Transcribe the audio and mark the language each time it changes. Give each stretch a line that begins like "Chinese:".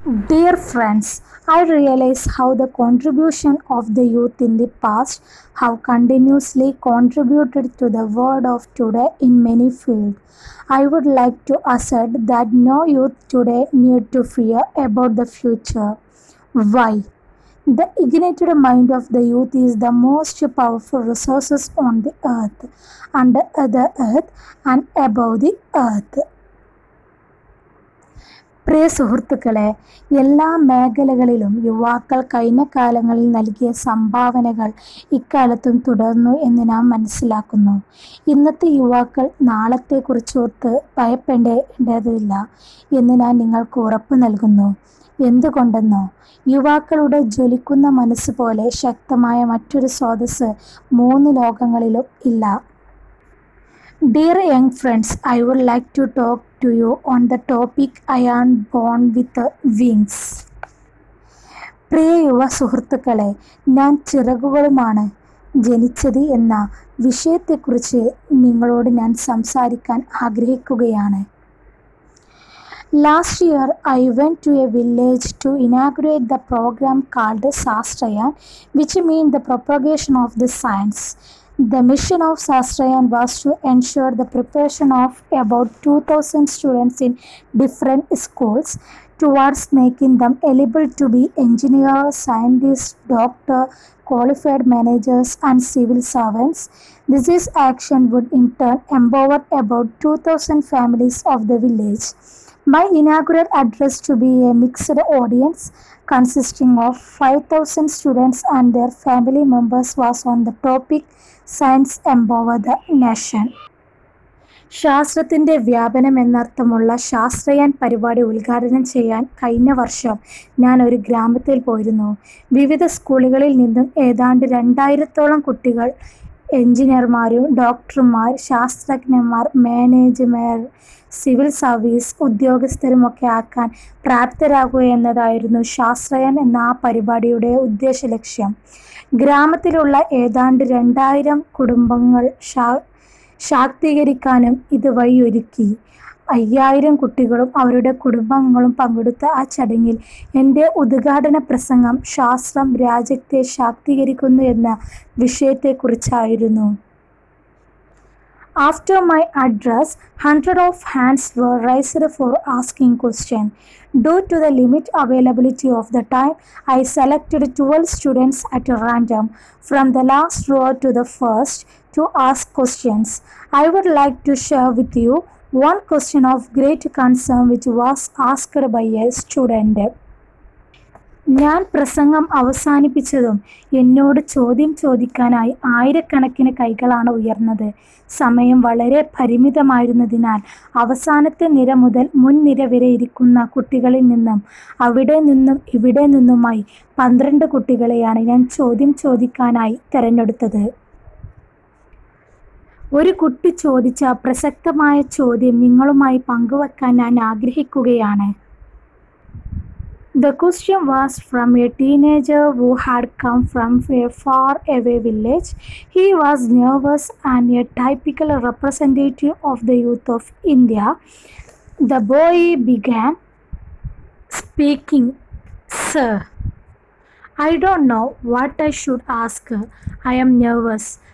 English: Dear friends, I realise how the contribution of the youth in the past how continuously contributed to the world of today in many field. I would like to assert that no youth today need to fear about the future. Why? The ignited mind of the youth is the most powerful resources on the earth, under the earth and above the earth.
Malayalam: പ്രിയ സുഹൃത്തുക്കളെ, എല്ലാ മേഖലകളിലും യുവാക്കൾ കഴിഞ്ഞ കാലങ്ങളിൽ നൽകിയ സംഭാവനകൾ ഇക്കാലത്തും തുടർന്നു എന്ന് നാം മനസ്സിലാക്കുന്നു. ഇന്നത്തെ യുവാക്കൾ നാളത്തെക്കുറിച്ചോർത്ത് ഭയപ്പെടേണ്ടതില്ല എന്ന് ഞാൻ നിങ്ങൾക്ക് ഉറപ്പ് നൽകുന്നു. എന്തുകൊണ്ടെന്നോ, യുവാക്കളുടെ ജ്വലിക്കുന്ന മനസ്സ് പോലെ ശക്തമായ മറ്റൊരു സ്രോതസ്സ് മൂന്ന് ലോകങ്ങളിലും ഇല്ല.
English: Dear young friends, I would like to talk to you on the topic I am born with wings.
Malayalam: പ്രിയ യുവ സുഹൃത്തുക്കളെ, ഞാൻ ചിറകുകളുമാണ് ജനിച്ചത് എന്ന വിഷയത്തെക്കുറിച്ച് നിങ്ങളോട് ഞാൻ സംസാരിക്കാൻ ആഗ്രഹിക്കുകയാണ്.
English: Last year, I went to a village to inaugurate the program called Sastrayan, which means the propagation of the science. The mission of Sastrayan was to ensure the preparation of about 2,000 students in different schools towards making them eligible to be engineers, scientists, doctors, qualified managers and civil servants. This action would in turn empower about 2,000 families of the village. My inaugural address to be a mixed audience consisting of 5,000 students and their family members was on the topic Science Empower the Nation.
Malayalam: ശാസ്ത്രത്തിൻ്റെ വ്യാപനം എന്നർത്ഥമുള്ള ശാസ്ത്രയാൻ പരിപാടി ഉദ്ഘാടനം ചെയ്യാൻ കഴിഞ്ഞ വർഷം ഞാൻ ഒരു ഗ്രാമത്തിൽ പോയിരുന്നു. വിവിധ സ്കൂളുകളിൽ നിന്നും ഏതാണ്ട് 2,000-ത്തോളം കുട്ടികൾ എഞ്ചിനീയർമാരും ഡോക്ടർമാർ, ശാസ്ത്രജ്ഞന്മാർ, മാനേജ്മെൻറ്, സിവിൽ സർവീസ് ഉദ്യോഗസ്ഥരുമൊക്കെ ആക്കാൻ പ്രാപ്തരാകുക എന്നതായിരുന്നു ശാസ്ത്രയൻ എന്ന ആ പരിപാടിയുടെ ഉദ്ദേശ ലക്ഷ്യം. ഗ്രാമത്തിലുള്ള ഏതാണ്ട് 2,000 കുടുംബങ്ങൾ ശാക്തീകരിക്കാനും ഇത് വഴിയൊരുക്കി. 5,000 കുട്ടികളും അവരുടെ കുടുംബങ്ങളും പങ്കെടുത്ത ആ ചടങ്ങിൽ എൻ്റെ ഉദ്ഘാടന പ്രസംഗം ശാസ്ത്രം രാജ്യത്തെ ശാക്തീകരിക്കുന്നു എന്ന വിഷയത്തെക്കുറിച്ചായിരുന്നു.
English: After my address, hundreds of hands were raised for asking questions. Due to the limit availability of the time, I selected 12 students at random from the last row to the first to ask questions. I would like to share with you one question of great concern which was asked by a student.
Malayalam: ഞാൻ പ്രസംഗം അവസാനിപ്പിച്ചതും എന്നോട് ചോദ്യം ചോദിക്കാനായി ആയിരക്കണക്കിന് കൈകളാണ് ഉയർന്നത്. സമയം വളരെ പരിമിതമായിരുന്നതിനാൽ അവസാനത്തെ നിര മുതൽ മുൻനിര വരെ ഇരിക്കുന്ന കുട്ടികളിൽ നിന്നും അവിടെ നിന്നും ഇവിടെ നിന്നുമായി 12 കുട്ടികളെയാണ് ഞാൻ ചോദ്യം ചോദിക്കാനായി തിരഞ്ഞെടുത്തത്. ഒരു കുട്ടി ചോദിച്ച പ്രസക്തമായ ചോദ്യം നിങ്ങളുമായി പങ്കുവെക്കാൻ ഞാൻ ആഗ്രഹിക്കുകയാണ്.
English: The question was from a teenager who had come from a far away village. He was nervous and a typical representative of the youth of India. The boy began speaking, "Sir, I don't know what I should ask. I am nervous.